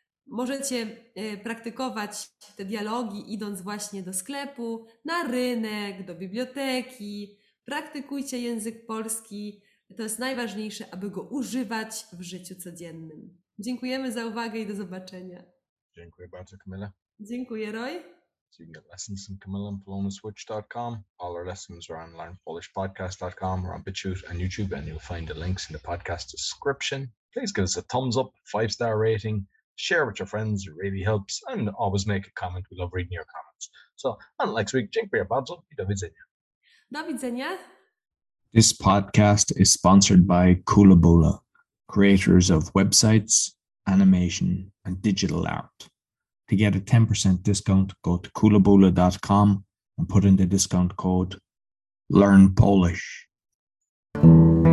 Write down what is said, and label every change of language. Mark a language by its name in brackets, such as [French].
[Polish] Możecie praktykować te dialogi, idąc właśnie do sklepu, na rynek, do biblioteki. Praktykujcie język polski. To jest najważniejsze, aby go używać w życiu codziennym. Dziękujemy za uwagę i do zobaczenia. Dziękuję bardzo, Kamila. Dziękuję, Roy. [English] So you can get lessons from Kamila and Paloma on switch.com. All our lessons are on learnpolishpodcast.com or on BitChute and YouTube, and you'll find the links in the podcast description. Please give us a thumbs up, 5-star rating, share with your friends, it really helps, and always make a comment. We love reading your comments. So until next week, dziękuję bardzo i do widzenia. [Polish] Do widzenia. [English] This podcast is sponsored by Koolaboola, creators of websites, animation, and digital art. To get a 10% discount, go to koolaboola.com and put in the discount code LearnPolish.